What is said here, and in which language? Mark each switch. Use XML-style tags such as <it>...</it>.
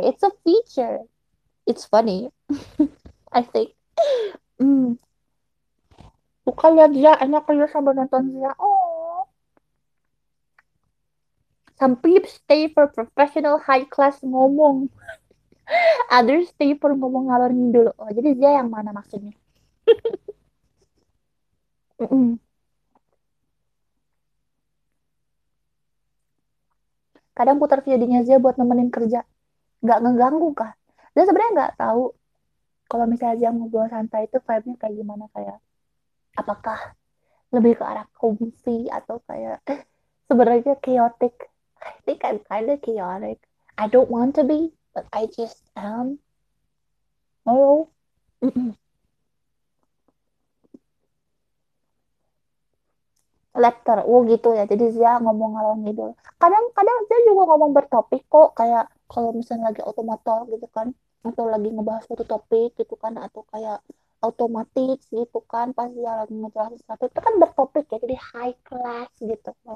<en>It's a feature. It's funny. I think.</en> <id>Bukan lihat Zia enak aja sambil nonton Zia. Oh.</id> <en>Some peeps stay for professional high class ngomong. Others stay for</en> <id>ngomong ngalor ngidul. Oh, jadi dia yang mana maksudnya? Kadang putar videonya dia buat nemenin kerja. Nggak ngeganggu kah? Dia sebenarnya nggak tahu kalau misalnya dia ngobrol santai itu vibe-nya kayak gimana, kayak apakah lebih ke arah komisi atau kayak sebenarnya chaotic.</id> <en>I think I'm kind of chaotic. I don't want to be, but I just am. Oh.</en> <id>letter U gitu ya. Jadi Zia ngomong ngalor ngidul. Kadang-kadang Zia juga ngomong bertopik kok, kayak kalau misalnya lagi otomatol gitu kan, atau lagi ngebahas suatu topik gitu kan, atau kayak otomatis gitu kan, pas Zia lagi ngejelasin sesuatu itu kan bertopik ya, jadi high class gitu.</id>